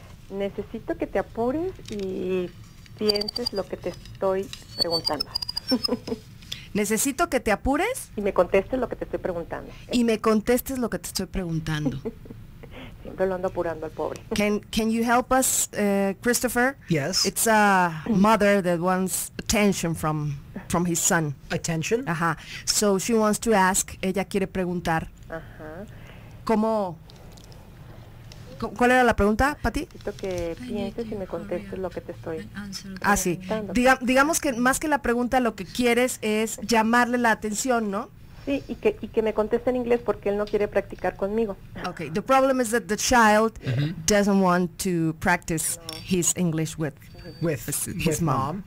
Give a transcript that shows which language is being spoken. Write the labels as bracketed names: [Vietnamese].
[Spanish] Necesito que te apures y pienses lo que te estoy preguntando. Necesito que te apures y me contestes lo que te estoy preguntando. Siempre lo ando apurando al pobre. [English] Can you help us, Christopher? Yes. It's a mother that wants attention from his son. Attention? Ajá. So she wants to ask, [Spanish] ella quiere preguntar. ¿Cómo? ¿Cuál era la pregunta, Patti? Necesito que pienses y me contestes lo que te estoy preguntando. Ah, sí. Digamos que más que la pregunta, lo que quieres es llamarle la atención, ¿no? Sí, y que me conteste en inglés porque él no quiere practicar conmigo. [English] Okay, the problem is that the child doesn't want to practice his English with his mom.